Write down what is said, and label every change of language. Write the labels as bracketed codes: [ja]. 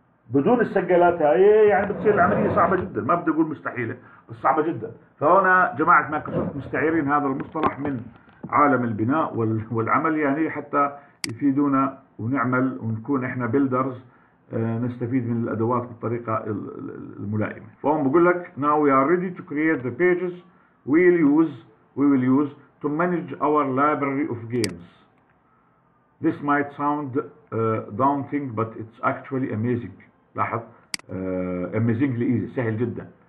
[ar] بدون السجلات هاي يعني بتصير العملية صعبة جدا، ما بدي أقول مستحيلة بس صعبة جدا. فهنا جماعة مايكروسوفت مستعيرين هذا المصطلح من عالم البناء والعمل يعني حتى يفيدونا ونعمل ونكون إحنا بيلدرز نستفيد من الأدوات بالطريقة الملائمة. فهم بقول لك [en] now we are ready to create the pages we will use to manage our library of games. This might sound daunting, but it's actually amazing. [ar] لاحظ [en] amazingly easy، [ar] سهل جدا.